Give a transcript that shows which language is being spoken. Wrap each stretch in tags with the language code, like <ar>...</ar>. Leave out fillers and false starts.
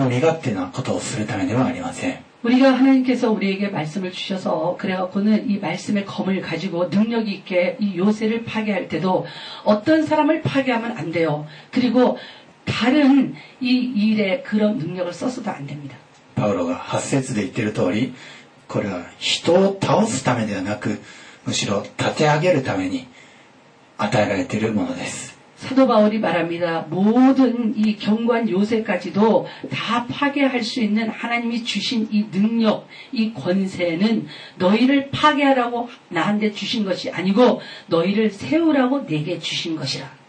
<ja>ただこの力強い武器を使う目的はですね、人を倒すためではないし、また自分の身勝手なことをするためではありません。</ja> <ko>우리가 하나님께서 우리에게 말씀을 주셔서 그래갖고는 이 말씀의 검을 가지고 능력 있게 이 요새를 파괴할 때도 어떤 사람을 파괴하면 안 돼요. 그리고 다른 이 일에 그런 능력을 써서도 안 됩니다. 바울이 8절에</ko> <ja>言ってる通り, これは人を倒すためではなく、むしろ立て上げるために与えられているものです。</ja> <ko>사도 바울이 말합니다. 모든 이 경관 요새까지도 다 파괴할 수 있는 하나님이 주신 이 능력, 이 권세는 너희를 파괴하라고 나한테 주신 것이 아니고 너희를 세우라고 내게 주신 것이라.</ko>